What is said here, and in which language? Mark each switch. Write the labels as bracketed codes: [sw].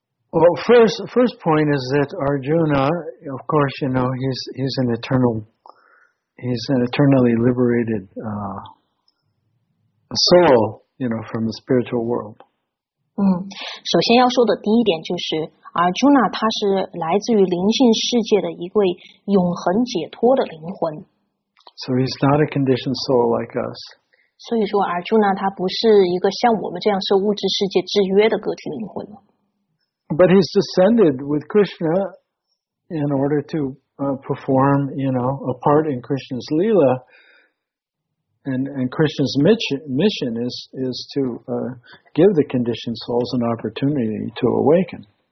[en] Well, first point is that Arjuna, of course, you know, he's an eternal he's an eternally liberated soul, you know, from the spiritual world. [zh] 首先要说的第一点就是Arjuna 他是来自于灵性世界的一位永恒解脱的灵魂。 [en] So he's not a conditioned soul like us. [zh] 所以说 Arjuna 他不是一个像我们这样受物质世界制约的个体灵魂。 [en] But he's descended with Krishna in order to perform, you know, a part in Krishna's Leela. And Krishna's mission is to give the conditioned souls an opportunity to awaken.